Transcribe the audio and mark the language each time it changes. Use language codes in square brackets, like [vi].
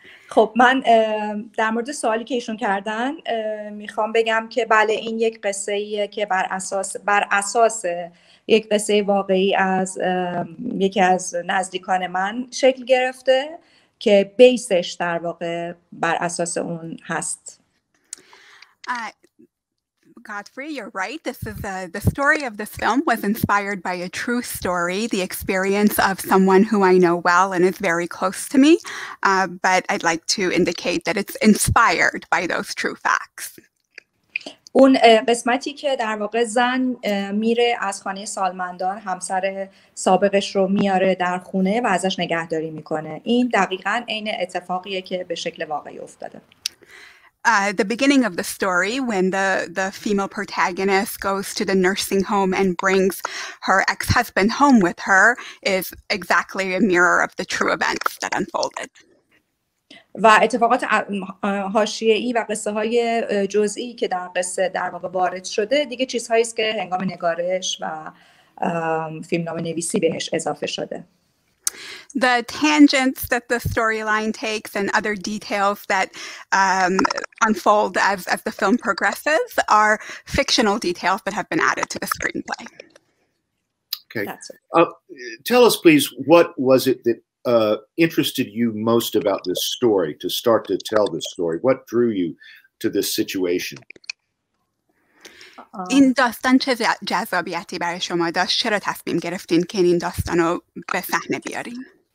[fa] خب من در مورد سوالی که ایشون کردن میخوام بگم که بله این یک قصه ایه که بر اساس یک قصه واقعی از یکی از نزدیکان من شکل گرفته که بیسش در واقع بر اساس اون هست. [en] Godfrey, you're right. This is the story of this film was inspired by a true story, the experience of someone who I know well and is very close to me. But I'd like to indicate that it's inspired by those true facts. [fa] اون قسمتی که در واقع زن میره از خانه سالمندان همسر سابقش رو میاره در خونه و ازش نگهداری میکنه این دقیقاً عین اتفاقیه که به شکل واقعی افتاده. [en] The beginning of the story, when the female protagonist goes to the nursing home and brings her ex-husband home with her, is exactly a mirror of the true events that unfolded. [fa] و اتفاقات حاشیه‌ای و قصه‌های جزئی که در قصه در واقع وارد شده دیگه چیزهایی است که هنگام نگارش و فیلمنامه‌نویسی بهش اضافه شده. [en] The tangents that the storyline takes and other details that unfold as the film progresses are fictional details that have been added to the screenplay. Okay. Tell us, please, what was it that interested you most about this story, to start to tell this story? What drew you to this situation? [fa] این داستان چه جذابیتی برای شما داشت؟ چرا تصمیم گرفتین که این داستانو به صحنه بیارین؟